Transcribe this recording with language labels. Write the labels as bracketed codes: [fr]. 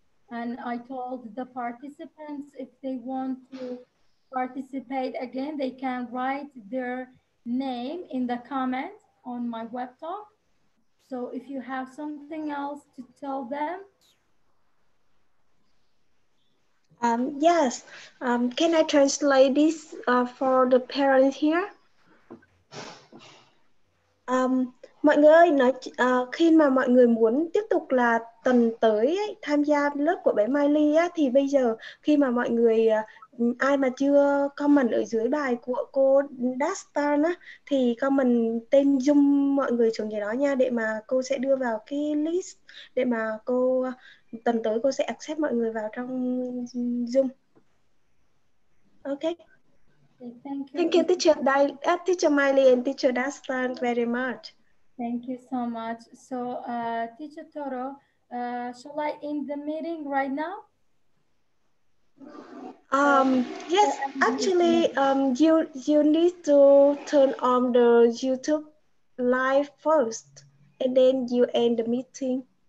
[en] And I told the participants if they want to participate again, they can write their name in the comment on my web talk. So if you have something else to tell them. Yes, can I translate this for the parents here? [vi] Mọi người nói khi mà mọi người muốn tiếp tục là tuần tới ấy, tham gia lớp của bé Miley á, thì bây giờ khi mà mọi người ai mà chưa comment ở dưới bài của cô Dastan á, thì comment tên Zoom mọi người xuống dưới đó nha, để mà cô sẽ đưa vào cái list, để mà cô tuần tới cô sẽ accept mọi người vào trong Zoom. [en] Okay. Thank you, teacher, teacher Miley and teacher Dastan very much. Thank you so much. So, teacher Toro, shall I end the meeting right now? Yes, actually, you need to turn on the YouTube live first, and then you end the meeting.